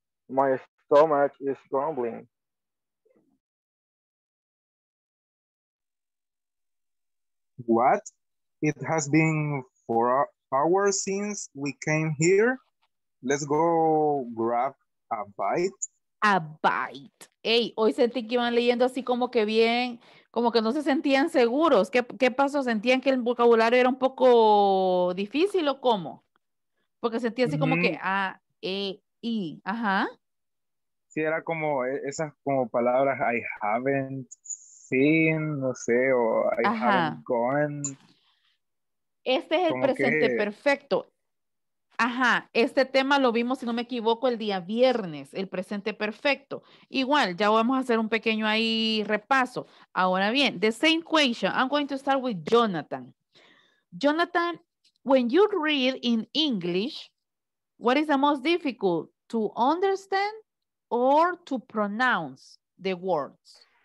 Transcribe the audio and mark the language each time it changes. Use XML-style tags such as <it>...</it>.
<en>My stomach is grumbling. What? It has been 4 hours since we came here. Let's go grab a bite. A bite.</en> <es>Hey, hoy sentí que iban leyendo así como que bien, como que no se sentían seguros. ¿Qué pasó? ¿Sentían que el vocabulario era un poco difícil o cómo? Porque sentí así como que A, E, I. Ajá. Sí, era como esas como palabras</es> <en>I haven't seen,</en> <es>no sé, o</es> <en>I haven't gone.</en> <es>Este es el presente perfecto. Ajá, este tema lo vimos, si no me equivoco, el día viernes, el presente perfecto. Igual, ya vamos a hacer un pequeño ahí repaso. Ahora bien,</es> <en>the same question, I'm going to start with Jonathan. Jonathan, when you read in English, what is the most difficult, to understand or to pronounce the words?</en>